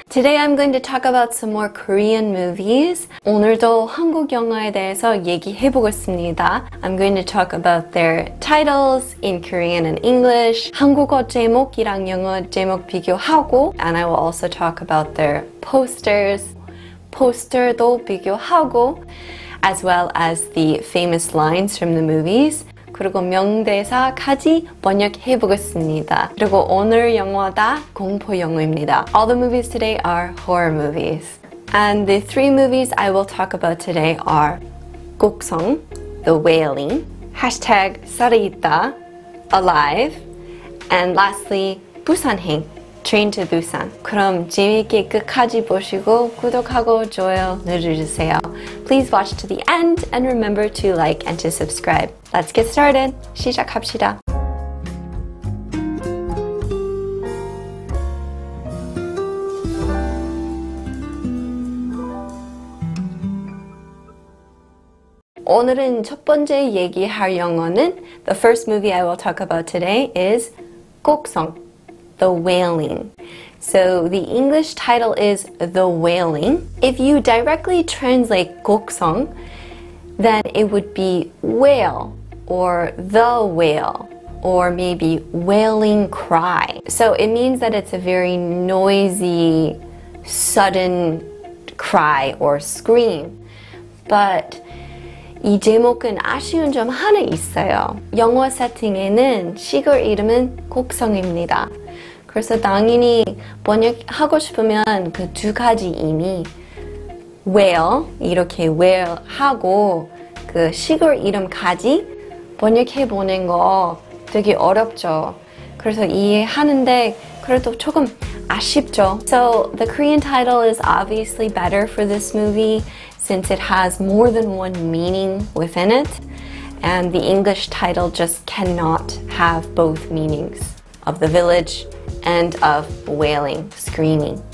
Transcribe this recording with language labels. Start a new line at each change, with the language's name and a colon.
English: Today I'm going to talk about some more Korean movies.
Korean: 오늘도 한국 영화에 대해서 얘기해 보겠습니다.
English: I'm going to talk about their titles in Korean and English.
Korean: 한국어 제목이랑 영어 제목 비교하고,
English: and I will also talk about their posters.
Korean: 포스터도 비교하고,
English: as well as the famous lines from the movies.
Korean: 그리고 명대사까지 번역해 보겠습니다. 그리고 오늘 영화 다 공포 영화입니다.
English: All the movies today are horror movies. And the three movies I will talk about today are 곡성, The Wailing, Hashtag 살아있다, Alive, and lastly, 부산행, Train to Busan.
Korean: 그럼 재미있게 끝까지 보시고 구독하고 좋아요 눌러주세요.
English: Please watch to the end and remember to like and to subscribe. Let's get started.
Korean: 시작합시다. 오늘은 첫 번째 얘기할 영어는
English: The first movie I will talk about today is 곡성, The Wailing. So the English title is The Wailing. If you directly translate 곡성, then it would be whale. Or the whale, or maybe wailing cry. So it means that it's a very noisy, sudden cry or scream.
Korean: But 이 제목은 아쉬운 점 하나 있어요. 영화 세팅에는 시골 이름은 곡성입니다. 그래서 당연히 번역하고 싶으면 그두 가지 이미 whale, 이렇게 whale 하고 그 시골 이름까지 번역해 보는 거 되게 어렵죠. 그래서 이해하는데 그래도 조금 아쉽죠.
English: So the Korean title is obviously better for this movie since it has more than one meaning within it, and the English title just cannot have both meanings of the village and of wailing, screaming.